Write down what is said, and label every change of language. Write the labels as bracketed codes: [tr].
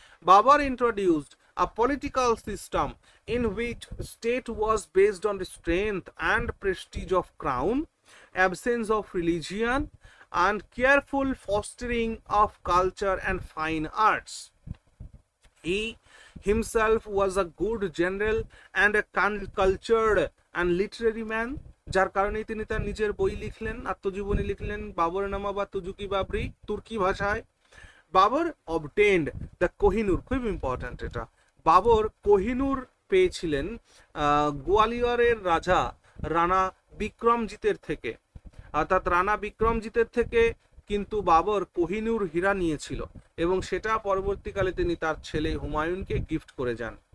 [en] Babur introduced a political system in which state was based on strength and prestige of crown, absence of religion, and careful fostering of culture and fine arts. He himself was a good general and a cultured and literary man. [bn] যার কারণে তিনি তার নিজের বই লিখলেন, আত্মজীবনী লিখলেন বাবর নামা বা তুজুকি বাবরি তুর্কি ভাষায়. বাবর [en] obtained the [bn] কোহিনুর, খুব ইম্পর্টেন্ট এটা. বাবর কোহিনুর পেয়েছিলেন গোয়ালিয়রের রাজা রানা বিক্রমজিতের থেকে, অর্থাৎ রানা বিক্রমজিতের থেকে কিন্তু বাবর কোহিনুর হীরা নিয়েছিল, এবং সেটা পরবর্তীকালে তিনি তার ছেলে হুমায়ুনকে গিফট করে যান.